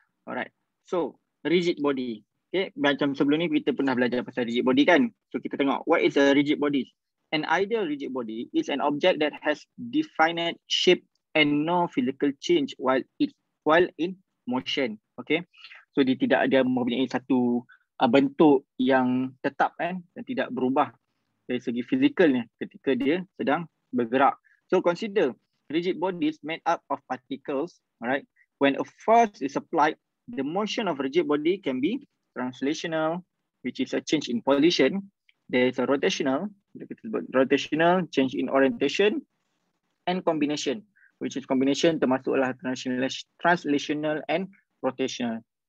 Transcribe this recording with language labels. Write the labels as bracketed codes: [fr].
[en] Alright. So, rigid body. [ms] Okay, macam sebelum ni kita pernah belajar pasal rigid body kan? [en] So [ms] kita tengok, [en] what is a rigid body? An ideal rigid body is an object that has definite shape and no physical change while it while in motion. Okay. [ms] So dia tidak ada mempunyai satu bentuk yang tetap kan, dan tidak berubah dari segi fizikalnya ketika dia sedang bergerak. [en] So consider rigid bodies made up of particles, right? When a force is applied, the motion of rigid body can be translational, which is a change in position. There is a rotational, rotational change in orientation, and combination, which is combination termasuklah translational and rotational.